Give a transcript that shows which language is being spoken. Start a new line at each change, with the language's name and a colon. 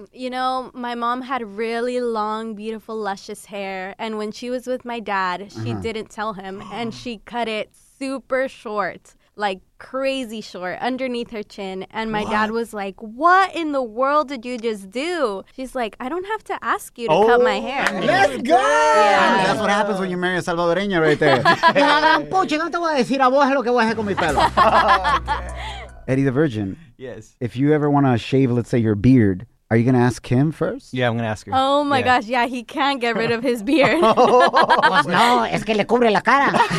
English: You know, my mom had really long, beautiful, luscious hair, and when she was with my dad, she didn't tell him, and she cut it super short, like crazy short, underneath her chin, and my dad was like, "What in the world did you just do?" She's like, "I don't have to ask you to cut my hair." Let's go! Yeah. That's what happens when you marry a salvadoreña right there.
Spanish: De la gran pucha, no te voy a decir a vos lo que voy a hacer con mi pelo.
English: Eddie the Virgin. Yes. If you ever want to shave, let's say, your beard, are you going to ask him first? Yeah, I'm going to ask her. Oh, my gosh. Yeah, he can't get rid of his beard.
Spanish: Pues no, es que le cubre la cara.